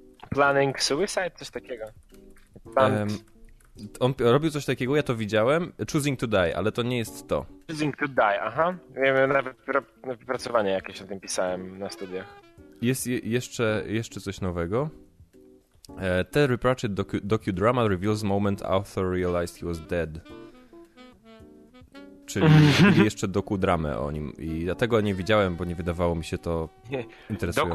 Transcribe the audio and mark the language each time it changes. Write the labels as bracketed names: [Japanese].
[Polish] Planning Suicide, coś takiego. On robił coś takiego, ja to widziałem, Choosing to Die, ale to nie jest to. Choosing to Die, aha. Wiem, nawet wypracowanie jakieś o tym pisałem na studiach. Jest jeszcze coś nowego. [English] Terry Pratchett docudrama reveals moment author realized he was dead. [Polish] Czyli jeszcze dokudramę o nim. I dlatego nie widziałem, bo nie wydawało mi się to interesujące.